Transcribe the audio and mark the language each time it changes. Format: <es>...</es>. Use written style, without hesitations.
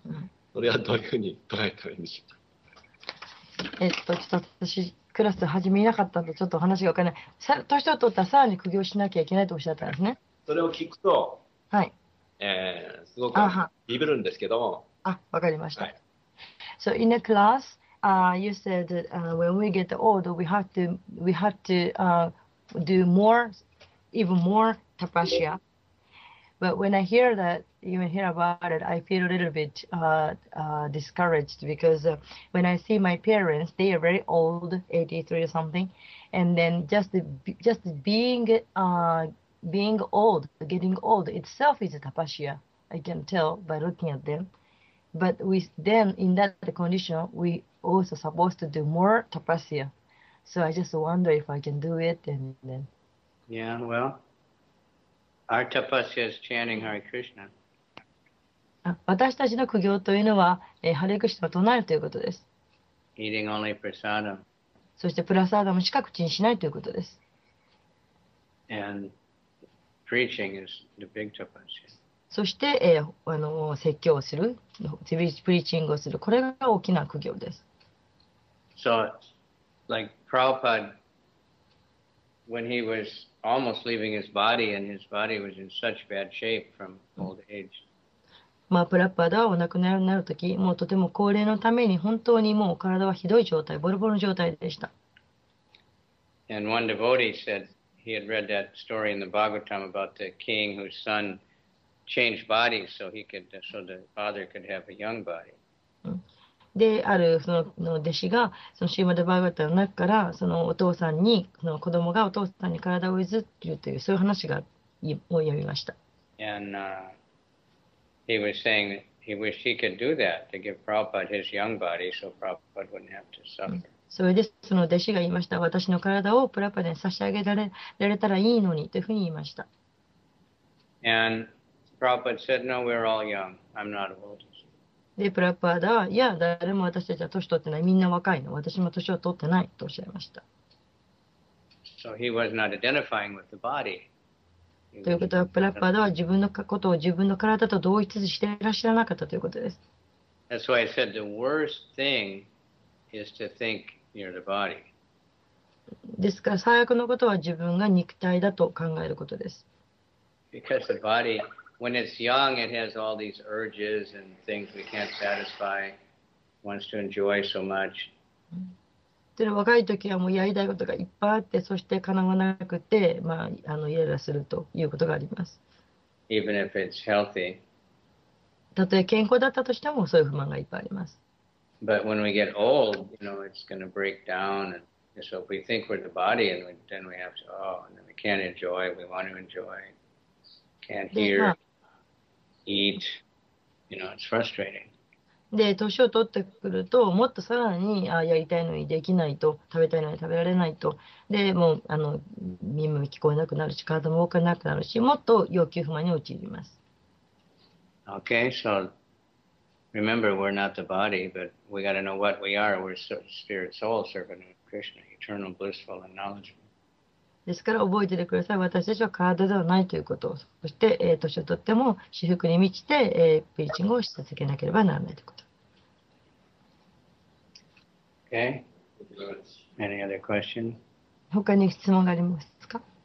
<ja>ちょっと私、クラス始めなかったとちょっと話が分からない。さ、年を取ったらさらに苦行しなきゃいけないとおっしゃったんですね。それを聞くと、はい、すごくビビるんですけど。あ、わかりました。</ja> <en>はい、so in the class, you said when we get old, we have to do more, even more tapasya. But when I hear that, even hear about it, I feel a little bit discouraged because when I see my parents, they are very old, 83 or something, and then just being old, getting old itself is a tapasya. I can tell by looking at them. But with them in that condition, we also supposed to do more tapasya. So I just wonder if I can do it and then. Yeah, well, our tapasya is chanting Hare Krishna.</en> <ja>私たちの苦行というのは、ハレクシナを唱えるということです。</ja> <en>Eating only prasadam.</en> <ja>そしてプラサーダムしか口にしないということです。</ja> <en>And preaching is the big tapasya.</en> <ja>そして、説教をする、プリーチングをする、これが大きな苦行です。</ja> <en>So, like Prabhupada, when he was almost leaving his body, and his body was in such bad shape from old age.</en> <ja>まあ、プラッパーダはお亡くなりになるとき、もうとても高齢のために本当にもう体はひどい状態、ボロボロの状態でした。</ja> <en>And one devotee said he had read that story in the Bhagavatam about the king whose son changed bodies so he could, so the father could have a young body.</en> <ja>で、あるその弟子が、そのシーマド・バーガータの中から、そのお父さんに、その子供がお父さんに体を譲っているという、そういう話がを読みました。</ja> <en>And, He was saying that he wished he could do that to give Prabhupada his young body so Prabhupada wouldn't have to suffer.</en> <ja>それでその弟子が言いました。私の体をプラパダに差し上げられたらいいのにというふうに言いました。</ja> <en>And Prabhupada said, no, we're all young. I'm not old.</en> <ja>で、プラパダは、いや、誰も私たちは年取ってない。みんな若いの。私も年を取ってないとおっしゃいました。</ja> <en>So he was not identifying with the body.</en> <ja>ということは、プラッパーダは自分のことを自分の体と同一していらっしゃらなかったということです。</ja> <en>That's why I said the worst thing is to think you're the body.</en> <ja>ですから、最悪のことは自分が肉体だと考えることです。</ja> <en>Because the body, when it's young, it has all these urges and things we can't satisfy, wants to enjoy so much.</en> <ja>で若い時はもうやりたいことがいっぱいあって、そして叶わなくて、まあ、イライラするということがあります。</ja> <en>Even if it's healthy.</en> <ja>たとえ健康だったとしても、そういう不満がいっぱいあります。</ja> <en>But when we get old, you know, it's going to break down. And so if we think we're the body, and we, then we have to, oh, and then we can't enjoy, we want to enjoy, can't hear, eat, you know, it's frustrating.</en> <ja>で、年を取ってくると、もっとさらに、あ、やりたいのにできないと、食べたいのに食べられないと、で、もう、耳も聞こえなくなるし、体も動かなくなるし、もっと要求不満に陥ります。</ja> <en>Okay, so remember, we're not the body, but we got to know what we are. We're spirit soul servant of Krishna, eternal, blissful, and knowledgeable.</en> <ja>ですから、覚えててください。私たちは体ではないということを。そして、年を取っても、至福に満ちて、プリーチングをし続けなければならないということ。</ja> <en>Okay. Any other question?</en> <ja>他に質問がありますか？</ja>